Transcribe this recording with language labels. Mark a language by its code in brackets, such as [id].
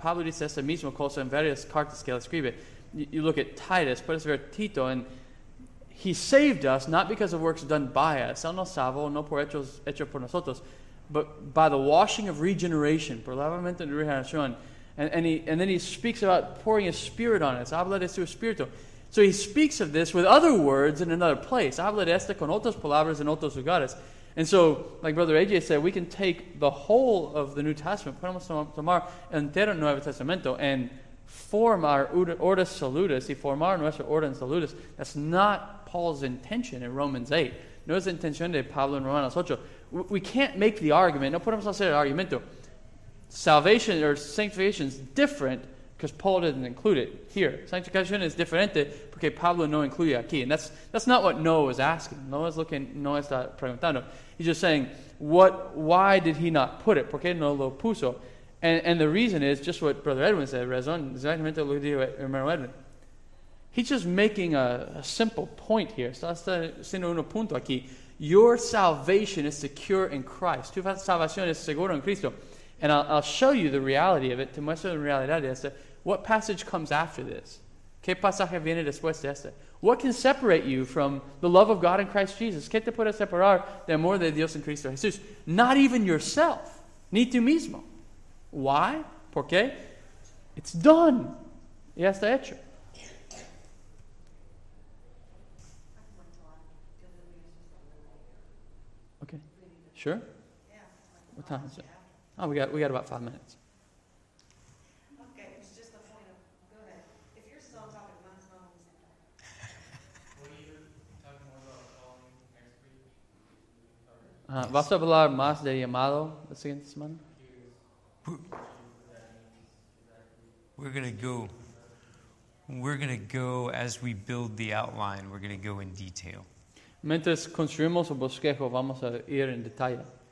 [es] Pablo dice esa misma cosa en varias cartas que él escribe. [en] You look at Titus, [es] puedes ver Tito, [en] and he saved us not because of works done by us. [es] Él nos salvó no por hecho por nosotros, [en] but by the washing of regeneration, [es] por lavamiento de regeneración. [en] And then he speaks about pouring his spirit on us. [es] Habla de su espíritu. [en] So he speaks of this with other words in another place. [es] Habla de esto con otras palabras en otros lugares. [en] And so, like Brother AJ said, we can take the whole of the New Testament, [es] podemos tomar entero Nuevo Testamento, [en] and form our Ordo Salutis, [es] y formar nuestro Ordo Salutis. [en] That's not Paul's intention in Romans 8. [es] No es intención de Pablo en Romanos 8. [en] We can't make the argument, [es] no podemos hacer el argumento. [en] Salvation or sanctification is different because Paul didn't include it here. [es] Sanctificación es diferente porque Pablo no incluye aquí. [en] And that's not what Noah was asking. [es] Noah está preguntando. [en] He's just saying, why did he not put it? [es] ¿Por qué no lo puso? [en] And the reason is just what Brother Edwin said. [es] Razón, exactamente lo que dijo hermano Edwin. [en] He's just making a simple point here. [es] Está haciendo un punto aquí. [en] Your salvation is secure in Christ. [es] Tu salvación es seguro en Cristo. [en] And I'll show you the reality of it. [es] Te muestro la realidad de esto. [en] What passage comes after this? [es] ¿Qué pasaje viene después de esto? [en] What can separate you from the love of God in Christ Jesus? [es] ¿Qué te puede separar del amor de Dios en Cristo Jesús? [en] Not even yourself. [es] Ni tú mismo. [en] Why? [es] ¿Por qué? [en] It's done. [es] Ya está hecho. [en] Sure? Yeah. What time is it? Oh, we got about 5 minutes. Okay, it was just the point of, go ahead. If you're still talking, might as well. Will you talk more about calling next week? [es] ¿Vas a hablar más de llamado la siguiente semana? [en] We're going to go as we build the outline, we're going to go in detail. [es] Mientras construimos el bosquejo, vamos a ir en detalle.